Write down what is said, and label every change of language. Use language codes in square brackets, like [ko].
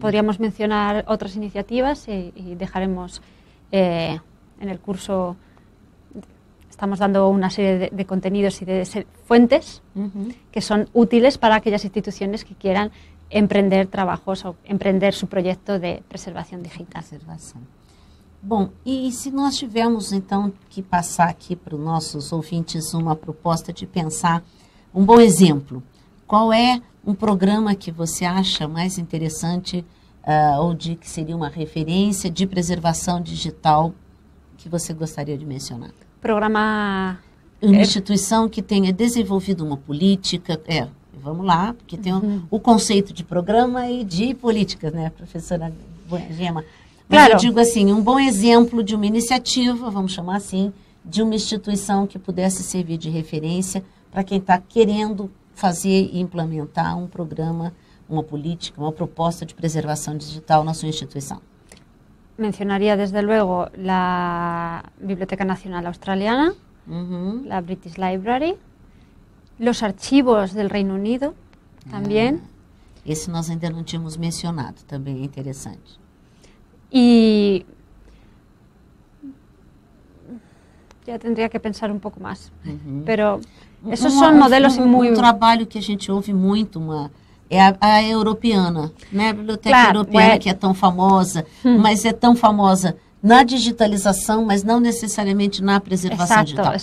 [es] podríamos mencionar otras iniciativas y dejaremos en el curso, estamos dando una serie de contenidos y de fuentes uh-huh. que son útiles para aquellas instituciones que quieran emprender trabajos o emprender su proyecto de preservación digital. Preservación. [pt] Bom, e se nós tivermos então que passar aqui para os nossos ouvintes uma proposta de pensar um bom exemplo, qual é um programa que você acha mais interessante ou de que seria uma referência de preservação digital que você gostaria de mencionar? Programa... Uma instituição que tenha desenvolvido uma política, vamos lá, porque tem uhum. o conceito de programa e de política, né, professora Gema? Claro. Eu digo assim, um bom exemplo de uma iniciativa, vamos chamar assim, de uma instituição que pudesse servir de referência para quem está querendo fazer e implementar um programa, uma política, uma proposta de preservação digital na sua instituição. Mencionaria, desde logo, a Biblioteca Nacional Australiana, uh-huh. a British Library, os arquivos do Reino Unido também. Esse nós ainda não tínhamos mencionado, também é interessante. [es] Y ya tendría que pensar un poco más, uh-huh. pero esos son modelos muy... Un trabajo que [pt] a gente ouve [es] mucho, es la europeana, ¿no? La biblioteca claro, europeana que es tan famosa, pero es tan famosa na digitalización, pero no necesariamente na preservación digital.